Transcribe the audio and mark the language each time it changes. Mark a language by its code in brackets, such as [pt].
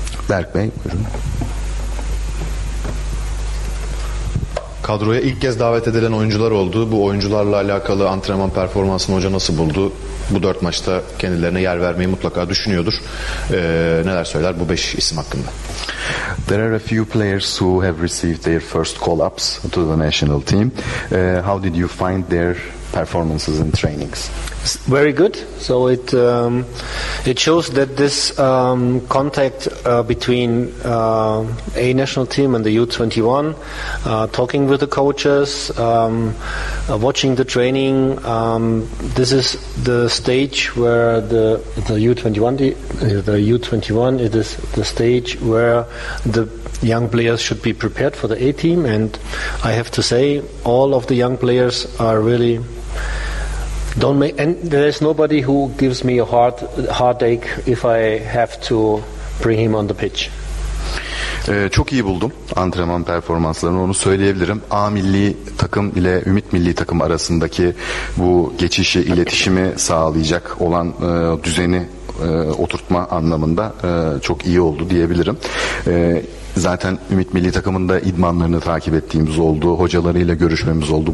[tr] Berk Bey, buyurun. kadroya ilk kez davet edilen oyuncular oldu. Bu oyuncularla alakalı antrenman performansını hoca nasıl buldu? Bu dört maçta kendilerine yer vermeyi mutlaka düşünüyordur. Neler söyler bu beş isim hakkında? [en] There are a few players who have received their first call-ups to the national team. How did you find their performances and trainings? Very good. So it it shows that this contact between A national team and the U21, talking with the coaches, watching the training, this is the stage where the young players should be prepared for the A team. And I have to say, all of the young players are really there's nobody who gives me a heartache if I have to bring him on the pitch. [tr] Çok iyi buldum antrenman performanslarını, onu söyleyebilirim. A milli takım ile ümit milli takım arasındaki bu geçişi, iletişimi sağlayacak olan düzeni oturtma anlamında çok iyi oldu diyebilirim. Zaten Ümit Milli Takımı'nda idmanlarını takip ettiğimiz oldu, hocalarıyla görüşmemiz oldu.